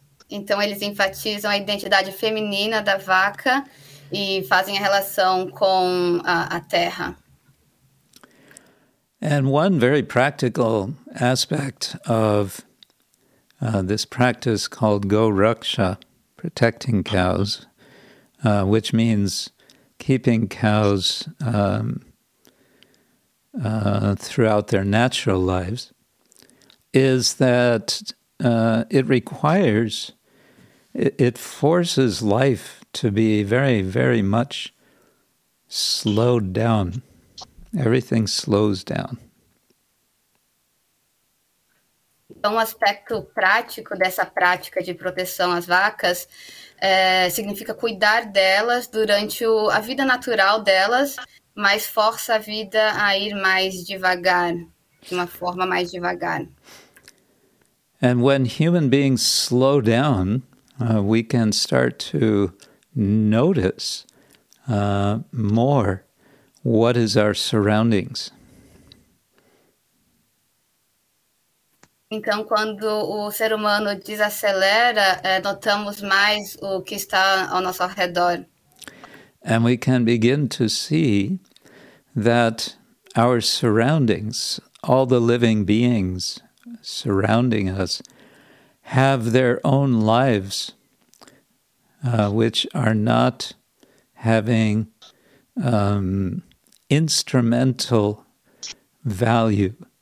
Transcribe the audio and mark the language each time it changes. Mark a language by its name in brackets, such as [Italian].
[Portuguese] Então eles enfatizam a identidade feminina da vaca e fazem a relação com a terra. [English] And one very practical aspect of this practice called Goruksha, protecting cows, which means keeping cows throughout their natural lives, is that it requires, it forces life to be very, very much slowed down. Everything slows down. [Portuguese] Um aspecto prático dessa prática de proteção às vacas significa cuidar delas durante a vida natural delas, mas força a vida a ir mais devagar, de uma forma mais devagar. [English] And when human beings slow down, we can start to notice more what is our surroundings. [Portuguese] Então, quando o ser humano desacelera, notamos mais o que está ao nosso redor. [English] And we can begin to see that our surroundings, all the living beings surrounding us, have their own lives, which are not having instrumental value.